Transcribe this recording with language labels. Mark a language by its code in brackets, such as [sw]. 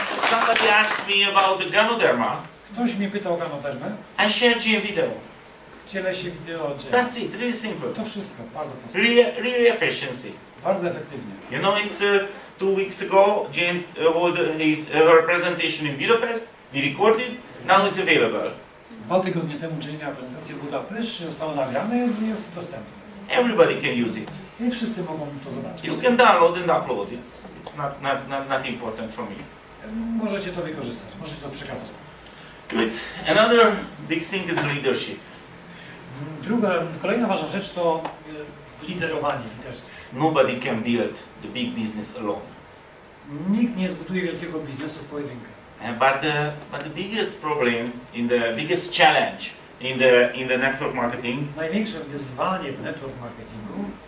[en] somebody asked me about the Ganoderma. [pl] Ktoś mnie pytał o Ganodermę. [en] I shared you a video. [pl] cielesie wideo. Gen. [en] That's it, really simple. [pl] To wszystko, bardzo proste. [en] Really efficiency. [pl] Bardzo efektywnie. [en] You know, it's 2 weeks ago, Jane held his her presentation in Budapest. We recorded, now it's available. [pl] 2 tygodnie temu Jane miała prezentację w Budapeszcie, zostało nagrane i jest dostępne. [en] Everybody can use it. [pl] I wszyscy mogą to zobaczyć. [en] You can download and upload. It's not important for me. [pl] Możecie to wykorzystać, możecie to przekazać. [en] It's another big thing is leadership. [pl] Druga, kolejna ważna rzecz to liderowanie, liderstwo. [en] Nobody can build the big business alone. [pl] Nikt nie zbuduje wielkiego biznesu w pojedynkę. [en] But the biggest problem in the biggest challenge in the network marketing. [pl] Największe wyzwanie w network marketingu.